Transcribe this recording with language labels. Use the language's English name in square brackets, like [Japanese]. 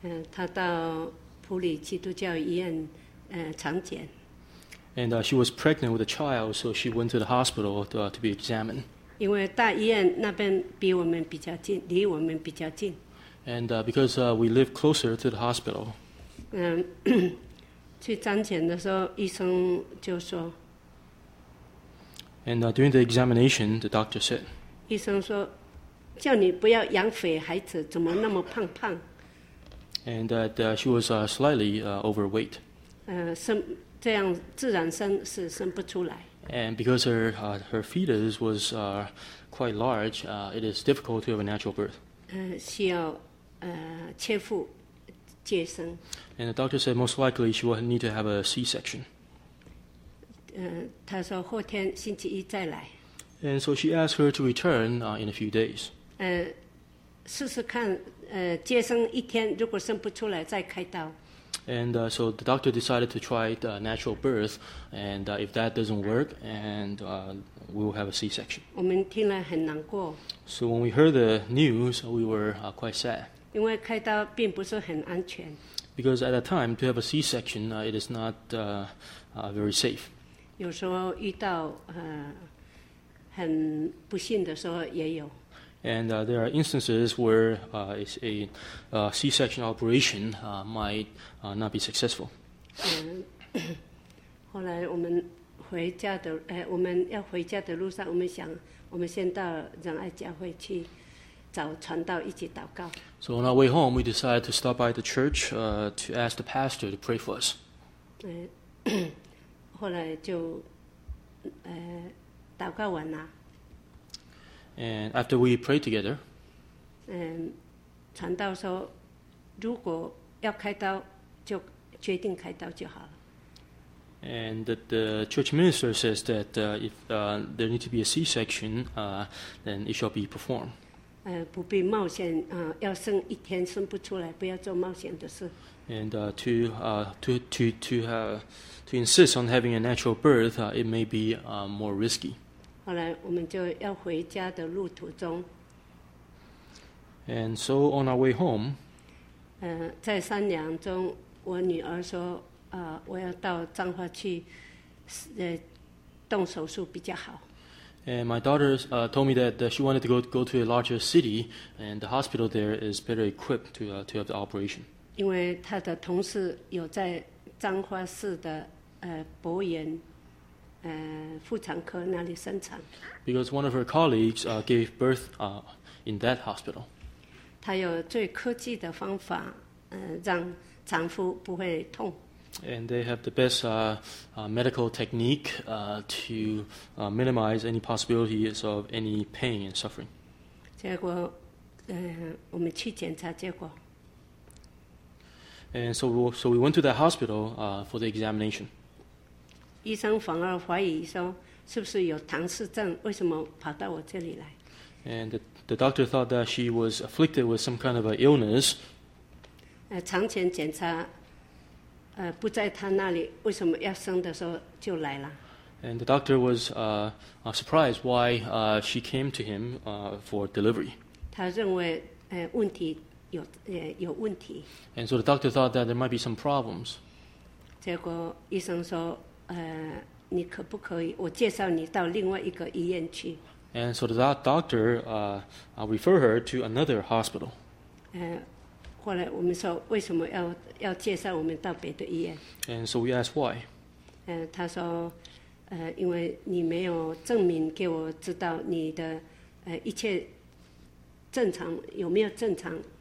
[Chinese] 她到普里基督教医院产检。 [English] And she was pregnant with a child, so she went to the hospital to be examined. [Chinese] 因为大医院那边比我们比较近，离我们比较近。 [English] And because we live closer to the hospital. [Chinese] 去产检的时候，医生就说。 [English] And during the examination, the doctor said. [Chinese] 医生说，叫你不要养肥孩子，怎么那么胖胖？ [English] And she was slightly overweight. [Chinese] 这样自然生是生不出来。 [English] And because her fetus was quite large, it is difficult to have a natural birth. [Chinese] 需要切腹接生。 [English] And the doctor said most likely she will need to have a C-section. [Chinese] 他说后天星期一再来。 [English] And so she asked her to return in a few days. [Chinese] 试试看接生一天，如果生不出来再开刀。 [English] And so the doctor decided to try the natural birth, and if that doesn't work, and we will have a C-section. [Chinese] 我们听了很难过。 [English] So when we heard the news, we were quite sad. [Chinese] 因为开刀并不是很安全。 [English] Because at that time, to have a C-section, it is not very safe. [Chinese] 有时候遇到很不幸的时候也有。 [English] And there are instances where it's a C-section operation might not be successful. [Chinese] 后来我们回家的，我们要回家的路上，我们想，我们先到仁爱教会去。找传道一起祷告。 [English] So on our way home, we decided to stop by the church to ask the pastor to pray for us. [Chinese] 后来就祷告完了。 [English] And after we prayed together, [Chinese] 传道说，如果要开刀，就决定开刀就好了。 [English] And that the church minister says that if there needs to be a C-section, then it shall be performed. [Chinese] 不必冒险，要生一天生不出来，不要做冒险的事。 [English] And to insist on having a natural birth, it may be more risky. [Chinese] 后来我们就要回家的路途中。 [English] And so on our way home, [Chinese] 在商量中，我女儿说，我要到彰化去，动手术比较好。 [English] And my daughter told me that she wanted to go to a larger city, and the hospital there is better equipped to have the operation. [Chinese] 因为她的同事有在彰化市的博研妇产科那里生产。 [English] Because one of her colleagues gave birth in that hospital. [Chinese] 她有最科技的方法，让产妇不会痛。 [English] And they have the best medical technique to minimize any possibilities of any pain and suffering. [Chinese] 结果，我们去检查结果。 [English] And so we went to the hospital for the examination. [Chinese] 医生反而怀疑说，是不是有唐氏症？为什么跑到我这里来？ [English] And the doctor thought that she was afflicted with some kind of an illness. [Chinese] 产前检查。不在他那里，为什么要生的时候就来了 [English] ？And the doctor was surprised why she came to him for delivery. [Chinese] 他认为问题有问题。 [English] And so the doctor thought that there might be some problems. [Chinese] 结果医生说你可不可以我介绍你到另外一个医院去 [English] And so that doctor referred her to another hospital. [Chinese] 后来我们说为什么 要介绍我们到别的医院 [English] And so we asked why. [Chinese] 他说因为你没有证明给我知道你的一切正常有没有正常